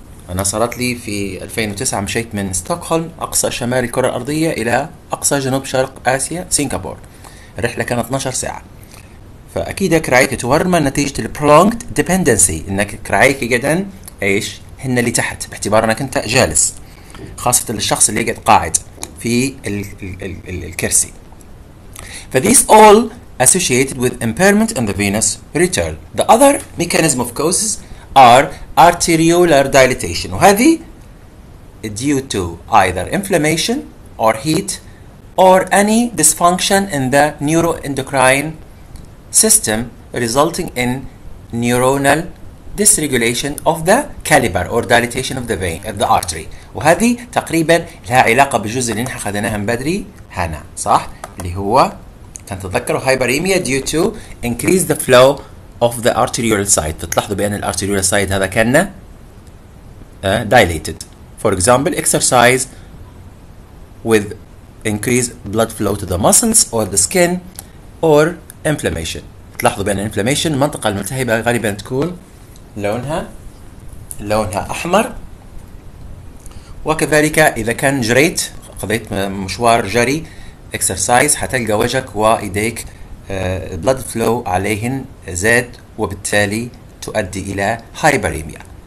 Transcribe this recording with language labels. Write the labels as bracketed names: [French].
[Arabic] أنا صارت لي في 2009 مشيت من ستوكهولم أقصى شمال الكرة الأرضية إلى أقصى جنوب شرق آسيا سنغافورة. الرحلة كانت 12 ساعة. فأكيد كرايك تورم نتيجة البرولونج ديبندنسي، إنك كرايك جدا إيش هن اللي تحت باعتبار انك انت جالس، خاصة للشخص اللي يقعد قاعد في الكرسي. [English] فthese all associated with impairment in the venous return. The other mechanism of causes are arteriolar dilatation. وهذه due to either inflammation or heat or any dysfunction in the neuroendocrine system resulting in neuronal dysregulation of the caliber or dilatation of the vein at the artery. [Arabic] وهذه تقريبا لها علاقة بالجزء اللي نحن خذناها من بدري هنا، صح؟ اللي هو كان تذكروا [English] hyperemia due to increase the flow of the arterial side. [Arabic] تلاحظوا بأن الarterial side هذا كان dilated. [English] For example, exercise with increased blood flow to the muscles or the skin or inflammation. [Arabic] تلاحظوا بأن inflammation المنطقة الملتهبة غالبا تكون لونها أحمر. وكذلك إذا كان جريت، قضيت مشوار جري exercise، حتلقى وجهك وإيديك blood flow عليهن زاد، وبالتالي تؤدي إلى hyperemia.